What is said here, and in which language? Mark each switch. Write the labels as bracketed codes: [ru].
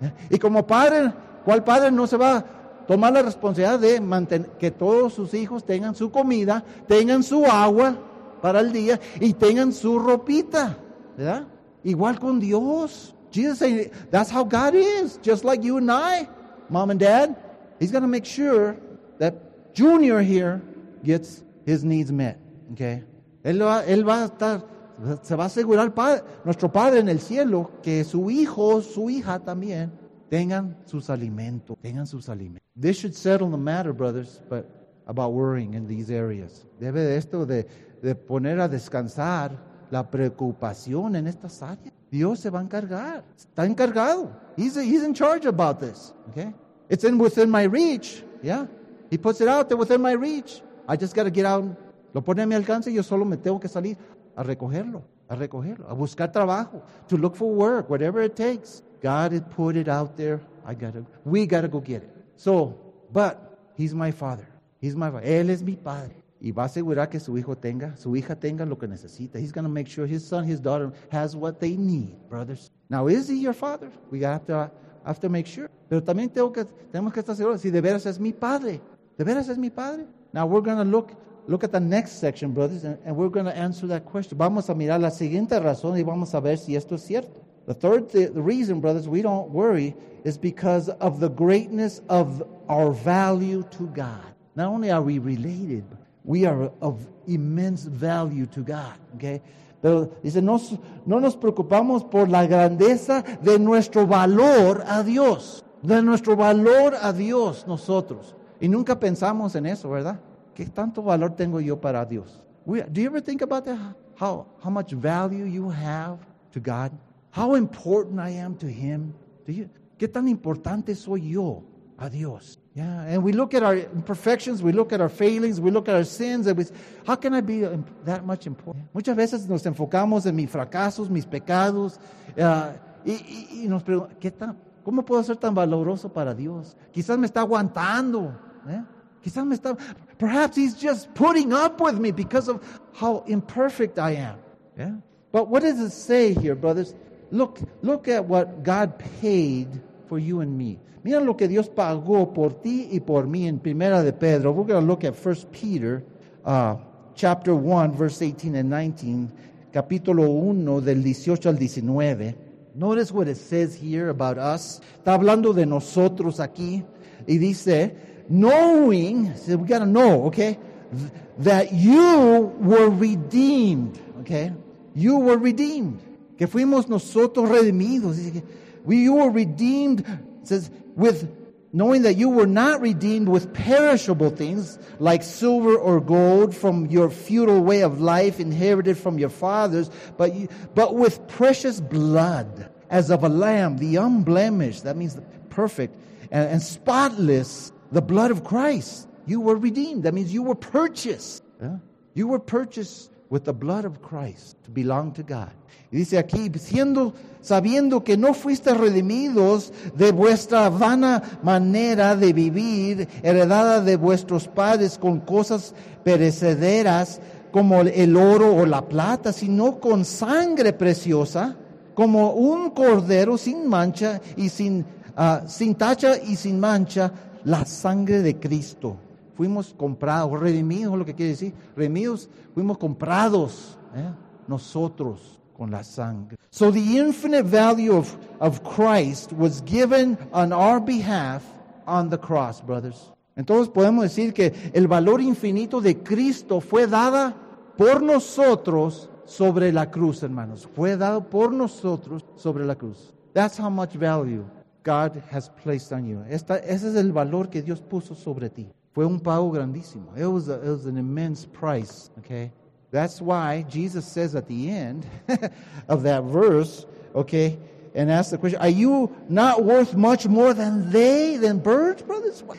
[es] Y como padre, ¿cuál padre no se va a tomar la responsabilidad de mantener que todos sus hijos tengan su comida, tengan su agua para el día y tengan su ropita, ¿verdad? Igual con Dios. [en] Jesus said, that's how God is, just like you and I, mom and dad. He's going to make sure that Junior here gets his needs met, okay? [es] Él va a asegurar padre, nuestro padre en el cielo, que su hijo, su hija también tengan sus alimentos. [en] This should settle the matter, brothers, but about worrying in these areas. [es] Debe de esto de poner a descansar la preocupación en estas áreas. Dios se va a encargar. Está encargado. [en] He's in charge about this, okay? It's in within my reach, yeah? He puts it out there within my reach. I just got to get out. [es] Lo pone a mi alcance y yo solo me tengo que salir a recogerlo, a buscar trabajo, [en] to look for work, whatever it takes. God has put it out there. We got to go get it. So, but he's my father. [es] Él es mi padre. Y va a asegurar que su hija tenga lo que necesita. [en] He's going to make sure his son, his daughter has what they need, brothers. Now, is he your father? We have to make sure. [es] Pero también tenemos que estar seguros si de veras es mi padre. ¿De veras es mi padre? [en] Now we're going to look at the next section, brothers, and we're going to answer that question. [es] Vamos a mirar la siguiente razón y vamos a ver si esto es cierto. [en] The third reason, brothers, we don't worry is because of the greatness of our value to God. Not only are we related, we are of immense value to God, okay? [es] Pero dice, no nos preocupamos por la grandeza de nuestro valor a Dios. De nuestro valor a Dios, nosotros. Y nunca pensamos en eso, ¿verdad? ¿Qué tanto valor tengo yo para Dios? [en] Do you ever think about that? How much value you have to God? How important I am to Him? [es] ¿Qué tan importante soy yo a Dios? [en] Yeah, and we look at our imperfections, we look at our failings, we look at our sins, and we say, how can I be that much important? Yeah. [es] Muchas veces nos enfocamos en mis fracasos, mis pecados, y nos preguntamos, ¿cómo puedo ser tan valoroso para Dios? Quizás me está aguantando, ¿eh? [en] Perhaps he's just putting up with me because of how imperfect I am. Yeah. But what does it say here, brothers? Look at what God paid for you and me. [es] Mira lo que Dios pagó por ti y por mí en Primera de Pedro. [en] We're going to look at 1 Peter chapter 1, verse 18 and 19. [es] Capítulo 1, del 18 al 19. [en] Notice what it says here about us. [es] Está hablando de nosotros aquí. Y dice, [en] knowing, so we got to know, okay, that you were redeemed, okay? You were redeemed. [es] Que fuimos nosotros redimidos. [en] You were redeemed, says, with knowing that you were not redeemed with perishable things like silver or gold from your futile way of life inherited from your fathers, but with precious blood as of a lamb, the unblemished, that means the perfect, and spotless, the blood of Christ. You were redeemed. That means you were purchased. Yeah. You were purchased with the blood of Christ to belong to God. [es] Y dice aquí, sabiendo que no fuiste redimidos de vuestra vana manera de vivir, heredada de vuestros padres con cosas perecederas como el oro o la plata, sino con sangre preciosa, como un cordero sin mancha y sin tacha y sin mancha, la sangre de Cristo. Fuimos comprados, redimidos, lo que quiere decir. Redimidos, fuimos comprados, ¿eh? Nosotros con la sangre. [en] So the infinite value of Christ was given on our behalf on the cross, brothers. [es] Entonces podemos decir que el valor infinito de Cristo fue dada por nosotros sobre la cruz, hermanos. Fue dado por nosotros sobre la cruz. [en] That's how much value God has placed on you. [es] Ese es el valor que Dios puso sobre ti. Fue un pago grandísimo. [en] It was an immense price, okay? That's why Jesus says at the end of that verse, Okay, and ask the question, are you not worth much more than they, than birds, brothers?